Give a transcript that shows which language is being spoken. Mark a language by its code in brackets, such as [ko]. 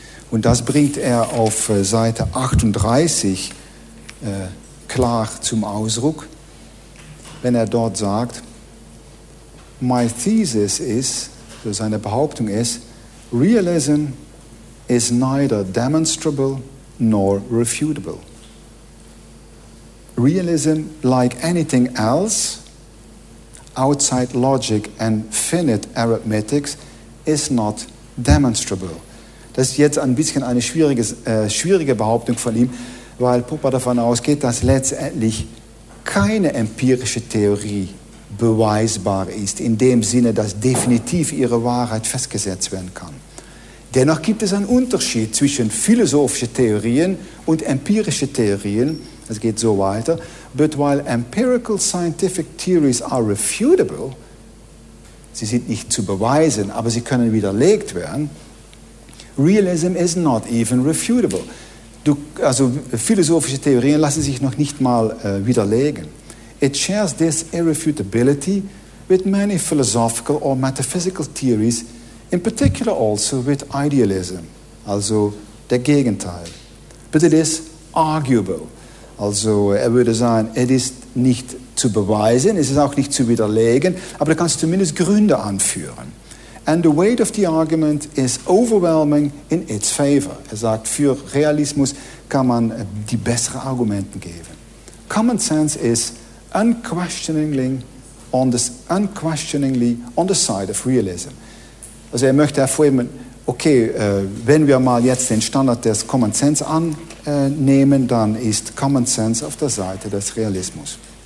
[de] Und das bringt er auf Seite 38 klar zum Ausdruck, wenn er dort sagt, [en] my thesis is, [de] so seine Behauptung ist, [en] realism is neither demonstrable nor refutable. Realism, like anything else, outside logic and finite arithmetics, is not demonstrable. [de] Das ist jetzt ein bisschen eine schwierige Behauptung von ihm, weil Popper davon ausgeht, dass letztendlich keine empirische Theorie beweisbar ist, in dem Sinne, dass definitiv ihre Wahrheit festgesetzt werden kann. Dennoch gibt es einen Unterschied zwischen philosophischen Theorien und empirischen Theorien. Es geht so weiter. [en] But while empirical scientific theories are refutable, [de] sie sind nicht zu beweisen, aber sie können widerlegt werden, [en] realism is not even refutable. [de] Also philosophische Theorien lassen sich noch nicht mal widerlegen. [en] It shares this irrefutability with many philosophical or metaphysical theories, in particular also with idealism, [de] also der Gegenteil. [en] But it is arguable. [de] Also er würde sagen, es ist nicht zu beweisen, es ist auch nicht zu widerlegen, aber da kannst du zumindest Gründe anführen. [en] And the weight of the argument is overwhelming in its favor. [de] Er sagt, für Realismus kann man die besseren Argumente geben. [en] Common sense is unquestioningly on the side of realism. [de] Also er möchte hervorheben, okay, wenn wir mal jetzt den Standard des Common Sense annehmen, dann ist Common Sense auf der Seite des Realismus.